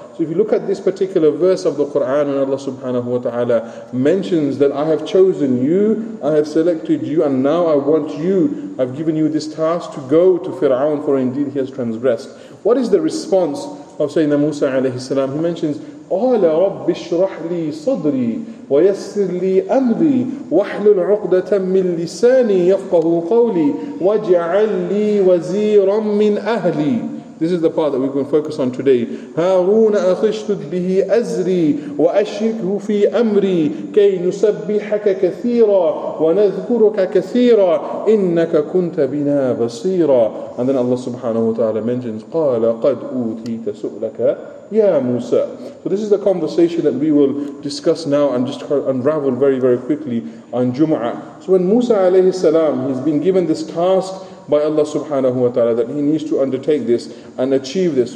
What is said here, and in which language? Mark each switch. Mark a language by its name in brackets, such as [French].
[English] So if you look at this particular verse of the Quran, and Allah subhanahu wa ta'ala mentions that I have chosen you, I have selected you, and now I want you, I've given you this task to go to Fir'aun, for indeed he has transgressed. What is the response of Sayyidina Musa alayhi salam? He mentions, [Arabic] قَالَ رَبِّ اشْرَحْ لِي صَدْرِي وَيَسِّرْ لِي أَمْرِي وَحْلُلْ عُقْدَةً مِّن لِسَانِي يَفْقَهُ قَوْلِي وَاجْعَلْ لِي وَزِيرًا مِّنْ أَهْلِي. [English] This is the part that we're going to focus on today. [Arabic] هارون أخشتد به أزري وأشركه في أمري كي نسبحك كثيرا ونذكرك كثيرا إنك كنت بنا بصيرا. [English] And then Allah subhanahu wa ta'ala mentions, [Arabic] قال قد أوتيت سؤلك يا موسى. [English] So this is the conversation that we will discuss now and just unravel very, very quickly on Jumu'ah. So when Musa alayhi salam, he's been given this task by Allah subhanahu wa ta'ala that he needs to undertake this and achieve this.